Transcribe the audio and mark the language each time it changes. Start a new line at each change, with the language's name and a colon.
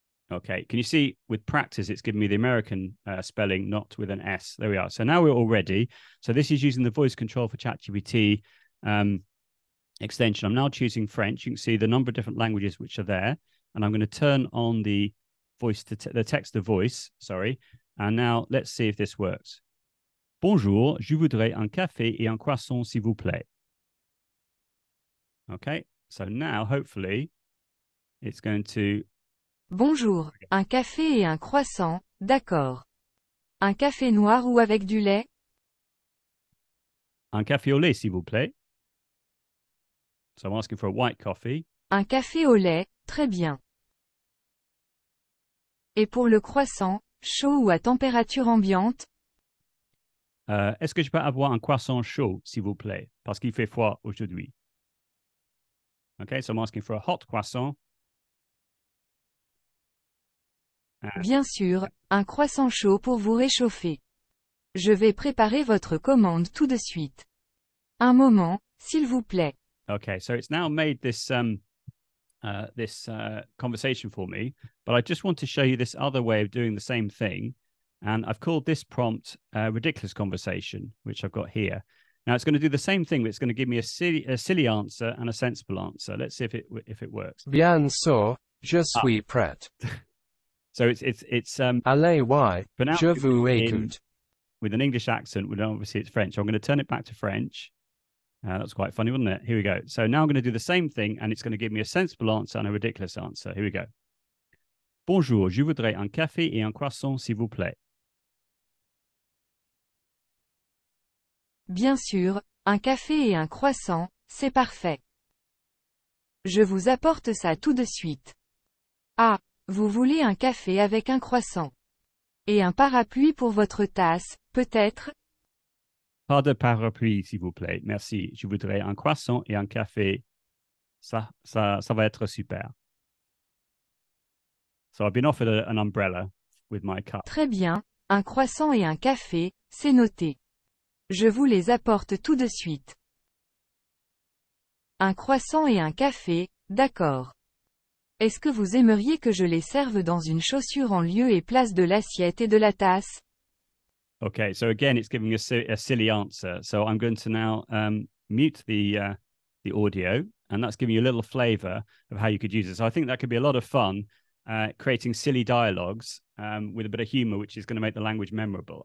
English: Okay, can you see with practice, it's given me the American spelling, not with an S. There we are. So now we're all ready. So this is using the voice control for ChatGPT extension. I'm now choosing French. You can see the number of different languages which are there. And I'm going to turn on the voice to the text to voice. Sorry. And now let's see if this works.
French: Bonjour, je voudrais un café et un croissant, s'il vous plaît.
English: Okay, so now hopefully it's going to...
French: Bonjour, un café et un croissant, d'accord. Un café noir ou avec du lait? Un café au lait, s'il vous plaît.
English: So I'm asking for a white coffee.
French: Un café au lait, très bien. Et pour le croissant, chaud ou à température ambiante? Est-ce que je peux avoir un croissant chaud, s'il vous plaît? Parce qu'il fait froid aujourd'hui.
English: Okay, so I'm asking for a hot croissant.
French: Bien sûr, un croissant chaud pour vous réchauffer. Je vais préparer votre commande tout de suite. Un moment, s'il vous plaît.
English: Okay, so it's now made this conversation for me, but I just want to show you this other way of doing the same thing, and I've called this prompt ridiculous conversation, which I've got here. Now it's going to do the same thing, but it's going to give me a silly answer and a sensible answer. Let's see if it works.
French: Bien sûr, je suis prêt.
English: So it's
French: allez, why? Je vous écoute.
English: With an English accent, but obviously it's French. I'm going to turn it back to French. That's quite funny, wasn't it? Here we go. So now I'm going to do the same thing, and it's going to give me a sensible answer and a ridiculous answer. Here we go.
French: Bonjour, je voudrais un café et un croissant, s'il vous plaît. Bien sûr, un café et un croissant, c'est parfait. Je vous apporte ça tout de suite. Ah! Vous voulez un café avec un croissant. Et un parapluie pour votre tasse, peut-être? Pas de parapluie, s'il vous plaît. Merci. Je voudrais un croissant et un café. Ça va être super.
English: So I've been offered an umbrella with my cup.
French: Très bien. Un croissant et un café, c'est noté. Je vous les apporte tout de suite. Un croissant et un café, d'accord. Est-ce que vous aimeriez que je les serve dans une chaussure en lieu et place de l'assiette et de la tasse?
English: Okay, so again, it's giving a silly answer. So I'm going to now mute the audio, and that's giving you a little flavor of how you could use it. So I think that could be a lot of fun, creating silly dialogues with a bit of humor, which is going to make the language memorable.